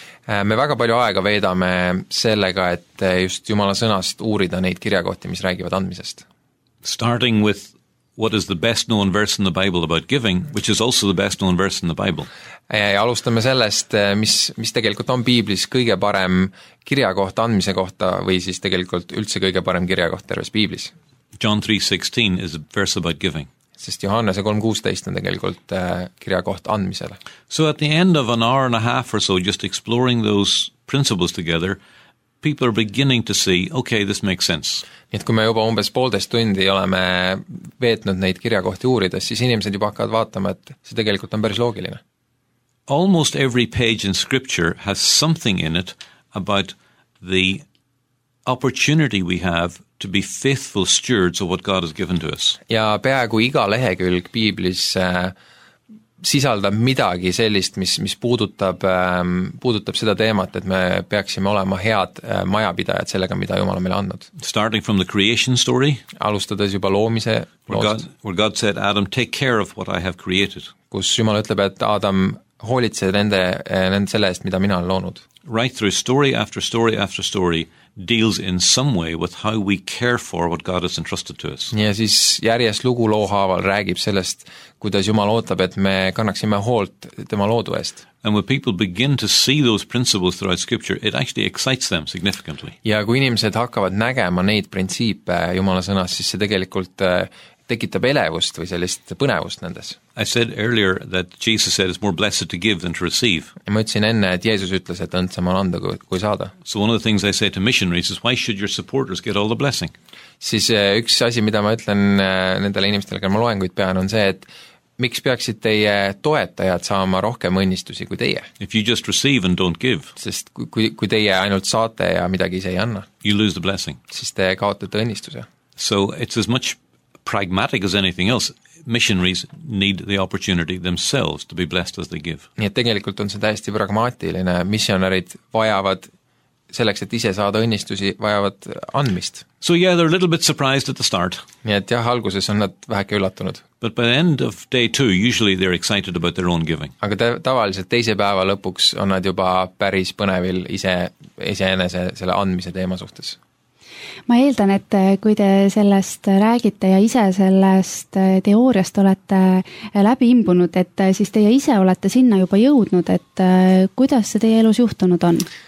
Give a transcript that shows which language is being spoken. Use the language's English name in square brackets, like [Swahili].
[Estonian] Me väga palju aega veedame sellega, et just Jumala sõnast uurida neid kirjakohti, mis räägivad andmisest. [English] Starting with what is the best known verse in the Bible about giving, which is also the best known verse in the Bible. [Estonian] Ja alustame sellest, mis tegelikult on Biiblis kõige parem kirjakoht andmise kohta või siis tegelikult üldse kõige parem kirjakoht terves Biiblis. [English] John 3:16 is a verse about giving. [Estonian] Sest Johannese 3:16 on tegelikult kirjakoht andmisele. [English] So at the end of an hour and a half or so just exploring those principles together, people are beginning to see, okay, this makes sense. [Estonian] Nii et kui me juba umbes pooltest tundi oleme veetnud neid kirjakohti uurides, siis inimesed juba hakkavad vaatama, et see tegelikult on päris loogiline. [English] Almost every page in scripture has something in it about the opportunity we have to be faithful stewards of what God has given to us. [Estonian] Ja peaaegu iga lehekülg Biiblis sisaldab midagi sellist, mis puudutab seda teemat, et me peaksime olema head majapidajad sellega, mida Jumal on meile andnud. [English] Starting from the creation story. [Estonian] Alustades juba loomise loost. [English] Where God said, Adam, take care of what I have created. [Estonian] Kus Jumal ütleb, et Adam hoolitse nende selle eest, mida mina olen loonud. [English] Right through story after story after story deals in some way with how we care for what God has entrusted to us. [Estonian] Ja siis järjest lugu loohaaval räägib sellest, kuidas Jumal ootab, et me kannaksime hoolt tema loodu eest. [English] And when people begin to see those principles throughout scripture, it actually excites them significantly. [Estonian] Ja kui inimesed hakkavad nägema neid printsiipe Jumala sõnas, siis see tegelikult tekitab elevust või sellist põnevust nendes. [English] I said earlier that Jesus said it's more blessed to give than to receive. [Estonian] Ma ütlesin enne, et Jeesus ütles, et õndsam on anda kui saada. [English] So one of the things I say to missionaries is why should your supporters get all the blessing? [Estonian] Siis üks asi, mida ma ütlen nendele inimestele, kui ma loenguid pean, on see, et miks peaksid teie toetajad saama rohkem õnnistusi kui teie? [English] If you just receive and don't give. [Estonian] Sest kui teie ainult saate ja midagi ise ei anna. [English] You lose the blessing. [Estonian] Siis te kaotate õnnistuse. [English] So it's as much pragmatic as anything else, missionaries need the opportunity themselves to be blessed as they give. [Estonian] Nii et tegelikult on see täiesti pragmaatiline. Missionarid vajavad selleks, et ise saada õnnistusi, vajavad andmist. [English] So yeah, they're a little bit surprised at the start. [Estonian] Nii et jah, alguses on nad väheke üllatunud. [English] But by the end of day two, usually they're excited about their own giving. [Estonian] Aga tavaliselt teise päeva lõpuks on nad juba päris põnevil ise enese selle andmise teema suhtes. Ma eeldan, et kui te sellest räägite ja ise sellest teooriast olete läbi imbunud, et siis teie ise olete sinna juba jõudnud, et kuidas see teie elus juhtunud on?